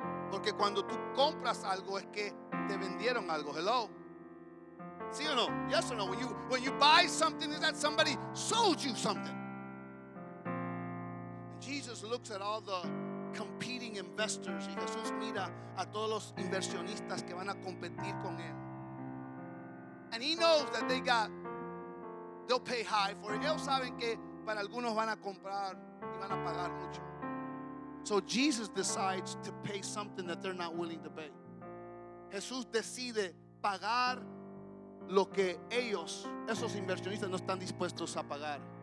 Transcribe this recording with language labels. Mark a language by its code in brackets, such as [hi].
[es] Porque cuando tú compras algo es que te vendieron algo, hello. Sí o no? [en] Yes or no? When you buy something, is that somebody sold you something? And Jesus looks at all the competing investors. [es] Y Jesús mira a todos los inversionistas que van a competir con él. [en] And he knows that they'll pay high for it. [es] Ellos saben que para algunos van a comprar y van a pagar mucho. [en] So Jesus decides to pay something that they're not willing to pay. [es] Jesús decide pagar lo que ellos, esos inversionistas, no están dispuestos a pagar.